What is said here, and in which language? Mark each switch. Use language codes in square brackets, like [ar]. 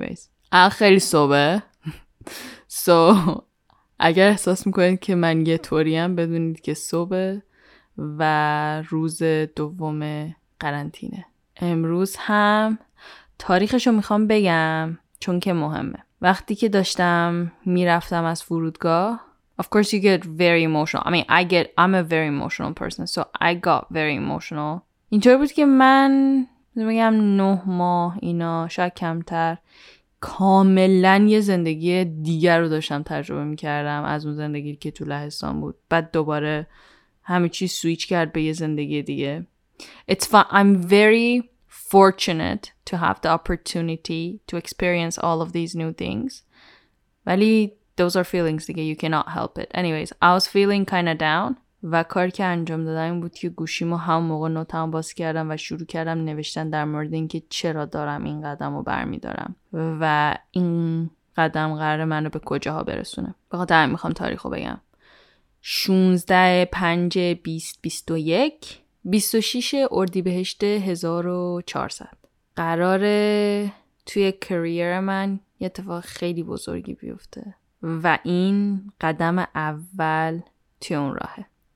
[fa] ایویز خیلی صبحه، سو اگر احساس میکنید که من یه طوریم، بدونید که صبح و روز دوم قرنطینه. امروز هم تاریخشو میخوام بگم چون که مهمه. وقتی که داشتم میرفتم از فرودگاه، [en] Of course you get very emotional. I'm a very emotional person, so I got very emotional. [fa] اینطور بود که من میگم 9 ماه اینا، شاید کمتر، کاملاً یه زندگی دیگر رو داشتم تجربه میکردم از اون زندگی که تو لهستان بود. بعد دوباره همه چی سویچ کرد به یه زندگی دیگه. [en] I'm very fortunate to have the opportunity to experience all of these new things. ولی those are feelings دیگه. You cannot help it. Anyways, I was feeling kind of down. [fa] و کار که انجام دادم این بود که گوشیمو هم موقع نوتم باز کردم و شروع کردم نوشتن در مورد اینکه چرا دارم این قدم رو برمیدارم و این قدم قراره من رو به کجاها برسونه. بخاطر همین میخوام تاریخ رو بگم. 16/5/2021 26 اردیبهشت 1400 قراره توی کریر من یه اتفاق خیلی بزرگی بیفته و این قدم اول توی اون راهه.